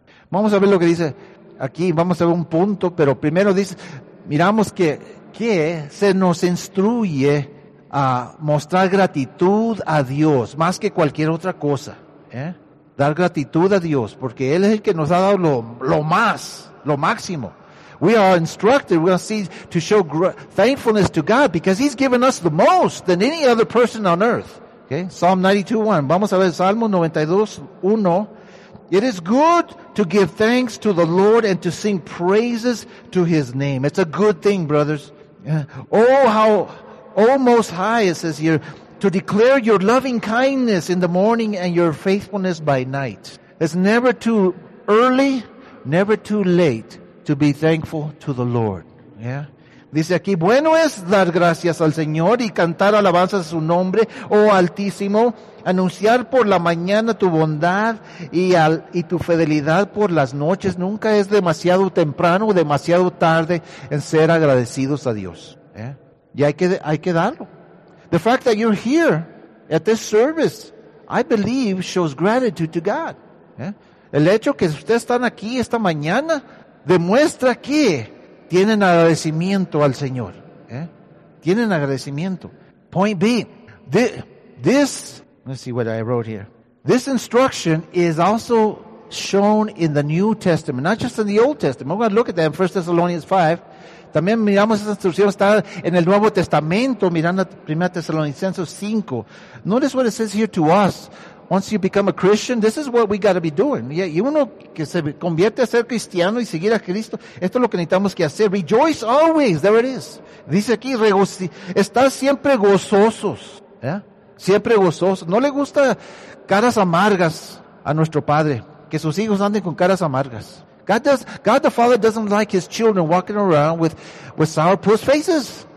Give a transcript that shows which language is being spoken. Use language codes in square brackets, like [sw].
[es] Vamos a ver lo que dice aquí, vamos a ver un punto, pero primero dice, miramos que se nos instruye a mostrar gratitud a Dios más que cualquier otra cosa. Dar gratitud a Dios, porque Él es el que nos ha dado lo máximo. [en] We are instructed, we're seen to show thankfulness to God because He's given us the most than any other person on earth. Okay? Psalm 92:1. [es] Vamos a ver Salmo 92:1. [en] It is good to give thanks to the Lord and to sing praises to His name. It's a good thing, brothers. Oh, how, oh, Most High, it says here, to declare your loving kindness in the morning and your faithfulness by night. It's never too early, never too late to be thankful to the Lord. Yeah? [es] Dice aquí, bueno es dar gracias al Señor y cantar alabanzas a su nombre, oh Altísimo, anunciar por la mañana tu bondad y tu fidelidad por las noches. Nunca es demasiado temprano o demasiado tarde en ser agradecidos a Dios. ¿Eh? Y hay que darlo. [en] The fact that you're here at this service, I believe, shows gratitude to God. [es] ¿Eh? El hecho que ustedes están aquí esta mañana demuestra que tienen agradecimiento al Señor. ¿Eh? Tienen agradecimiento. [en] Point B. Let's see what I wrote here. This instruction is also shown in the New Testament, not just in the Old Testament. We're going to look at that in 1 Thessalonians 5. [es] También miramos esta instrucción, está en el Nuevo Testamento, mirando 1 Thessalonicenses 5. [en] Notice what it says here to us. Once you become a Christian, this is what we got to be doing. [es] Y uno que se convierte a ser cristiano y seguir a Cristo, esto es lo que necesitamos que hacer. [en] Rejoice always, there it is. [es] Dice aquí, está siempre gozosos. ¿Eh? Siempre gozosos. No le gusta caras amargas a nuestro Padre, que sus hijos anden con caras amargas. [en] God the Father doesn't like His children walking around with sourpuss faces.